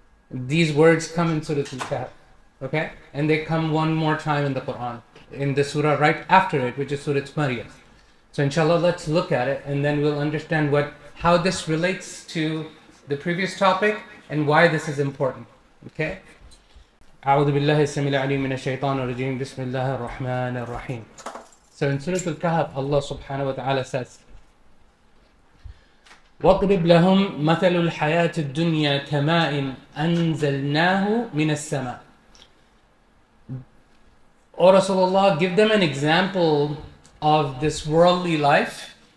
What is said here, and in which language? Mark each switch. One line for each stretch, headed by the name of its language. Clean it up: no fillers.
English: These words come in Surah Al-Kahf, okay? And they come one more time in the Quran, in the surah right after it, which is Surah Maryam. So inshallah, let's look at it, and then we'll understand how this relates to the previous topic, and why this is important, okay?
Arabic: أعوذ بالله السميع العليم من الشيطان الرجيم بسم الله الرحمن الرحيم.
English: So in Surah Al-Kahf, Allah subhanahu wa ta'ala says,
Arabic: وَاضْرِبْ لَهُمْ مَثَلُ الْحَيَاةِ الدُّنْيَا كَمَاءٍ أَنْزَلْنَاهُ مِنَ السَّمَاءِ.
English: O Rasulullah, give them an example of this worldly life.